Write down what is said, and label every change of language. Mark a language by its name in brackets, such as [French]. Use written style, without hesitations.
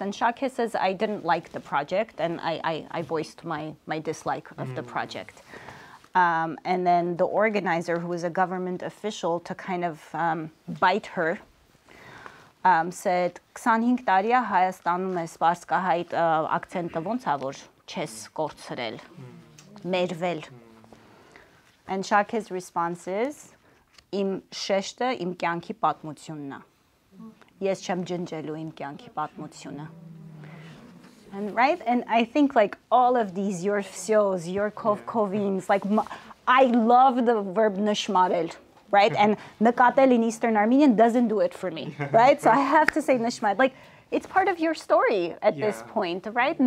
[English] And Shake says, I didn't like the project, and I voiced my dislike of the project. And then the organizer, who is a government official, to kind of bite her, said, [Armenian] 25 տարի է Հայաստանում ես սպասկահայտ ակցենտը ոնց ա որ չես կորցրել, մերվել. [English] And Shake's response is, [Armenian] իմ շեշտը իմ կյանքի պատմությունն ա, ես չեմ ջնջելու իմ կյանքի պատմությունը. [English] And right, and I think like all of these, your fsios, your kovkovins, I love the verb nishmarel, right? And nakatel in Eastern Armenian doesn't do it for me, right? So I have to say nishmarel, like it's part of your story at this point, right?